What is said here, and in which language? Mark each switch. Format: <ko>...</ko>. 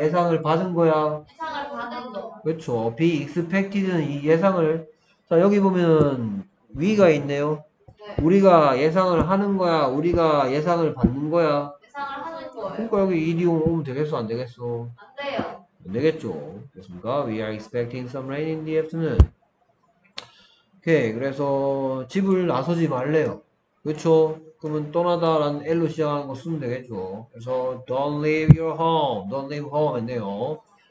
<ko>예상을 받은 거야. 그렇죠. Be expected는 이 예상을. 자, 여기 보면 we가 있네요. 우리가 예상을 하는 거야. 우리가 예상을 받는 거야. 그러니까 여기 이디움 오면 되겠어 안 되겠어? 안 되겠죠. 됐습니까?</ko> <en>We are expecting some rain in the afternoon.</en> <ko>오케이. 그래서 집을 나서지 말래요. 그렇죠? 그러면 떠나다라는 L로 시작하는 거 쓰면 되겠죠. 그래서</ko> <en>don't leave your home, don't leave home</en> <ko>했네요.</ko>